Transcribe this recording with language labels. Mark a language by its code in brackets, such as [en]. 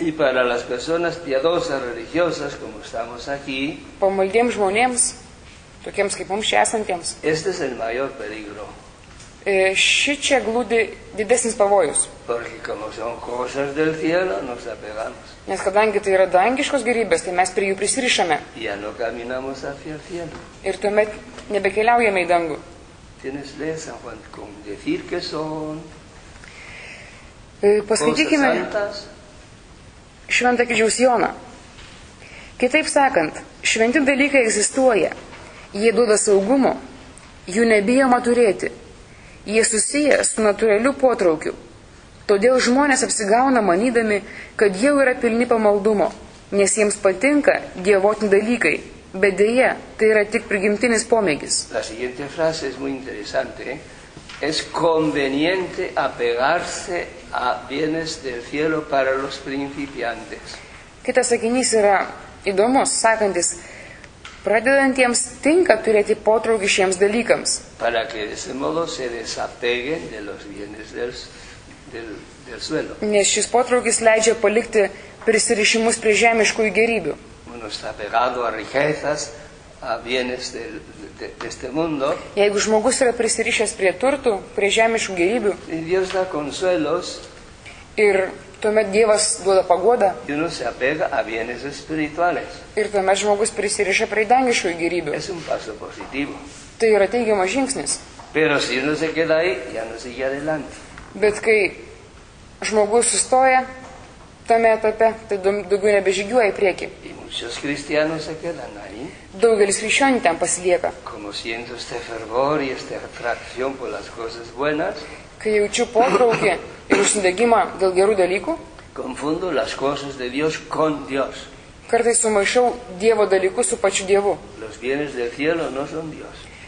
[es] Y para las personas piadosas, religiosas, como estamos aquí, [lt] pamaldiems žmonėms, tokiems kaip mums čia esantiems, [es] este es el mayor peligro. [lt] Ši čia glūdi didesnis pavojus. [es] Porque como son cosas del cielo, nos apegamos. [lt] Nes kadangi tai yra dangiškos gėrybės, tai mes prie jų prisirišame. [es] Ya no caminamos hacia el cielo. [lt] Ir tuomet nebekeliaujame į dangų. [es] Tienes ley, San Juan, con decir que son [lt] pasakykime šventą kryžiaus Joną. Kitaip sakant, šventi dalykai egzistuoja. Jie duoda saugumo, jų nebijoma turėti. Jie susiję su natūraliu potraukiu. Todėl žmonės apsigauna manydami, kad jau yra pilni pamaldumo, nes jiems patinka dievotini dalykai, bet dėja, tai yra tik prigimtinis pomėgis. [es] La siguiente frase es muy interesante. Es conveniente apegarse a bienes del cielo para los principiantes. [lt] Kitas sakinys yra įdomus, sakantis, pradedantiems tinka turėti potraukį šiems dalykams. [es] Para que de ese modo se desapeguen de los bienes del suelo. [lt] Nes šis potraukis leidžia palikti prisirišimus prie žemiškų gėrybių. [es] Uno está pegado a riquezas, a bienes de este mundo. [lt] Jeigu žmogus yra prisirišęs prie turtų, prie žemiškų gėrybių. [es] Y Dios da consuelos. [lt] Ir tuomet Dievas duoda pagodą. [es] Y uno se apega a bienes espirituales. [lt] Ir tuomet žmogus prisiriša prie dangiškų gėrybių. [es] Es un paso positivo. [lt] Tai yra teigiamas žingsnis. [es] Pero si uno se queda ahí, ya no sigue adelante. [lt] Bet kai žmogus sustoja tame etape, tai daugiau nebežygiuoja į priekį. [es] Y muchos cristianos se quedan ahí. [lt] Daugelis krikščionių ten pasilieka. [es] Como siento este fervor y esta atracción por las cosas buenas. [lt] Kai jaučiu potraukį ir užsidegimą dėl gerų dalykų. [es] Confundo las cosas de Dios con Dios. [lt] Kartais sumaišau Dievo dalykus su pačiu Dievu. [es] Los bienes del cielo no son Dios.